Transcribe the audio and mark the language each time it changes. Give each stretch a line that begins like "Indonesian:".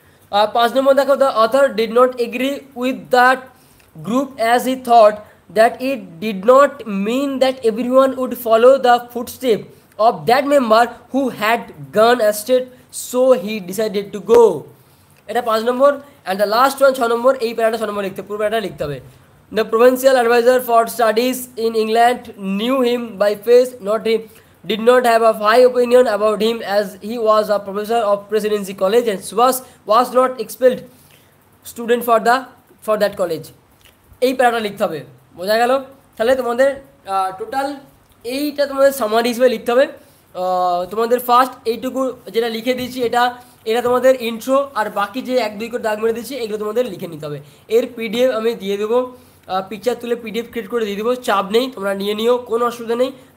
Bangla: 5 number dekho,
English: the author did not agree with that group as he thought that it did not mean that everyone would follow the footsteps of that member who had gone astray, so he decided to go.
Bangla: এটা 5 নম্বর,
English: and the last one
Bangla: 6 নম্বর, এই প্যারাটা 6 নম্বর লিখতে, পুরো প্যারাটা লিখতে হবে।
English: The provincial advisor for studies in England knew him by face, not him, did not have a high opinion about him as he was a professor of presidency college and was not expelled student for that college.
Bangla: এই প্যারাটা লিখতে হবে, বোঝা গেল? তাহলে তোমাদের total এইটা তোমাদের summary হিসেবে লিখতে হবে। তোমাদের ফার্স্ট এইটুকু যেটা লিখে দিয়েছি এটা তোমাদের ইন্ট্রো, আর বাকি যে 1-2 করে দাগ মেরে দিয়েছি এগুলো তোমাদের লিখে নিতে হবে। এর পিডিএফ আমি দিয়ে দেবো, পিকচার তুলে পিডিএফ ক্রিয়েট করে দিয়ে দেবো, চাপ নেই, তোমরা নিয়ে নিও, কোনো অসুবিধা নেই।